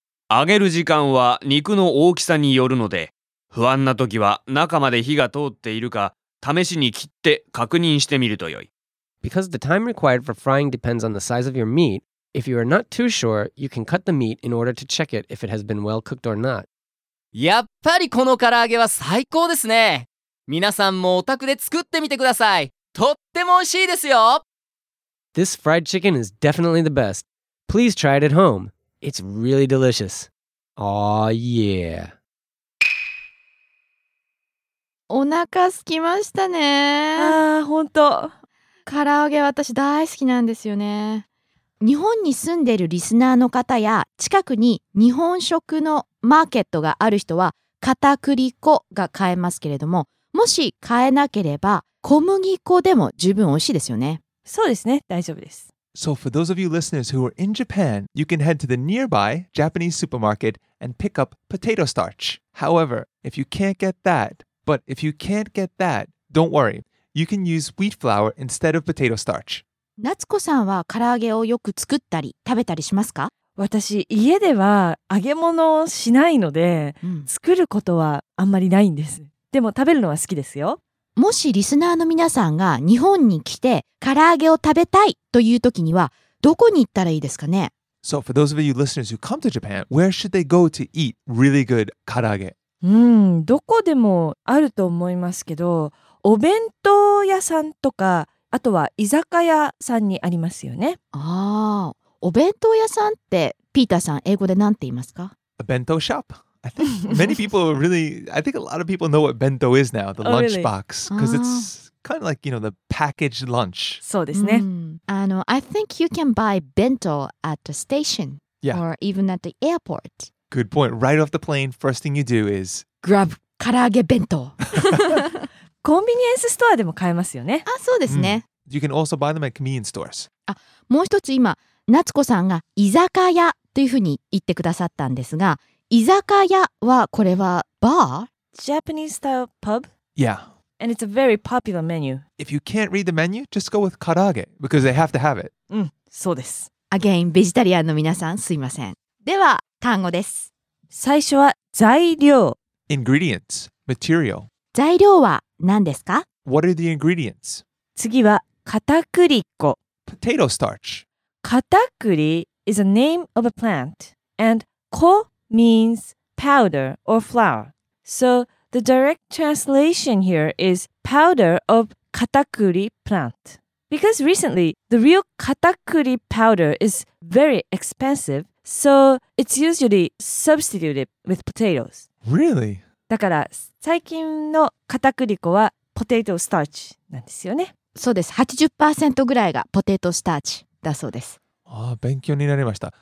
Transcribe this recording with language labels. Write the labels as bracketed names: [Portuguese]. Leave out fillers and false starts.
[Japanese] 揚げる時間は肉の大きさによるので、不安な時は中まで火が通っているか試しに切って確認してみるとよい。 [English] Because the time required for frying depends on the size of your meat, if you are not too sure, you can cut the meat in order to check it if it has been well cooked or not. [Japanese] やっぱりこの唐揚げは最高ですね。皆さんもお宅で作ってみてください。とっても美味しいですよ。 [English] This fried chicken is definitely the best. Please try it at home. It's really delicious. Aw yeah. [Japanese] お腹空きましたね。ああ、本当。唐揚げ私大好きなんですよね。日本に住んでるリスナーの方や近くに日本食のマーケットがある人は片栗粉が買えますけれども、もし買えなければ小麦粉でも十分美味しいですよね。そうですね、大丈夫です。 [English] So for those of you listeners who are in Japan, you can head to the nearby Japanese supermarket and pick up potato starch. However, if you can't get thatBut if you can't get that, don't worry. You can use wheat flour instead of potato starch. [Japanese] 夏子さんは唐揚げをよく作ったり食べたりしますか？私、家では揚げ物をしないので、作ることはあんまりないんです。でも食べるのは好きですよ。もしリスナーの皆さんが日本に来て唐揚げを食べたいという時にはどこに行ったらいいですかね？ [English] So for those of you listeners who come to Japan, where should they go to eat really good 唐揚げ？ [Japanese] どこでもあると思いますけど、お弁当屋さんとか、あとは居酒屋さんにありますよね。ああ、お弁当屋さんってピーターさん英語で何て言いますか？ [English] A bento shop. I think many people really, I think a lot of people know what bento is now, the lunchbox, because it's kind of like, you know, the packaged lunch. [Japanese] そうですね。 [English] I think you can buy bento at the station or even at the airport. Good point. Right off the plane, first thing you do is grab 唐揚げ弁当. [Japanese] コンビニエンスストアでも買えますよね。あ、そうですね。 [English] You can also buy them at convenience stores. [Japanese] あ、もう一つ今、夏子さんが居酒屋というふうに言ってくださったんですが、居酒屋はこれはバー? [English] Japanese style pub? Yeah. And it's a very popular menu. If you can't read the menu, just go with 唐揚げ because they have to have it. [Japanese] うん、そうです。 Again, ベジタリアンの皆さん、すいません。では、単語です。最初は材料。 [English] Ingredients, material. [Japanese] 材料は何ですか? [English] What are the ingredients? [Japanese] 次は片栗粉。 [English] Potato starch. 片栗 is a name of a plant. And 粉 means powder or flour. So the direct translation here is powder of 片栗 plant. Because recently, the real katakuri powder is very expensive, so it's usually substituted with potatoes. Really? [Japanese] だから最近の片栗粉はポテトスターチなんですよね。そうです。 80% ぐらいがポテトスターチだそうです。ああ、勉強になりました。